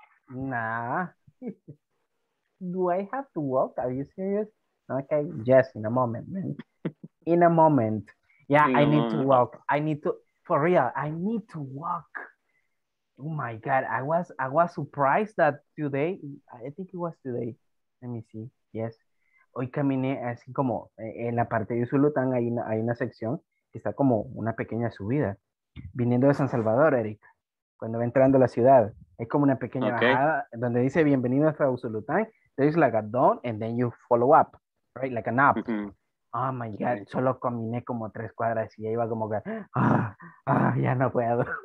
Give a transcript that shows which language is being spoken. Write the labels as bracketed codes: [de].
[en] Nah. Do I have to walk? Are you serious? Okay, yes, in a moment, man. In a moment. Yeah, I need to walk. I need to walk. Oh my God, I was surprised that today, I think it was today. Let me see. Yes. [es] Hoy caminé así como en la parte de Usulután, hay una sección que está como una pequeña subida. Viniendo de San Salvador, Eric, cuando va entrando a la ciudad, es como una pequeña bajada donde dice bienvenido a Usulután. [en] There is like a down and then you follow up, right? Like an up. Oh my God, [es] solo caminé como 3 cuadras y ya iba como que, ya no puedo.